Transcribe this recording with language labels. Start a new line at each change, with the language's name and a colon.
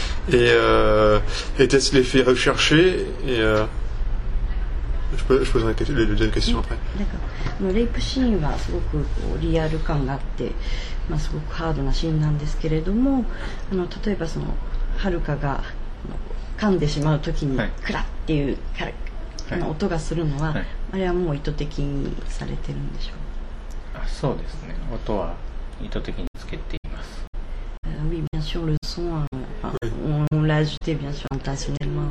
French: Et était-ce l'effet recherché? Et je poserai la deuxième question après. D'accord. Le rape scene est très réel, et très hard scene, mais par exemple, Haruka a cassé le crack, le crack, le crack.
Japanese: あの音がするのは、はい、あれはもう意図的にされてるんでしょう。あ、そうですね。音は意図的につけています。
French: Oui, bien sûr, le son, on l'a ajouté, bien sûr, intentionnellement.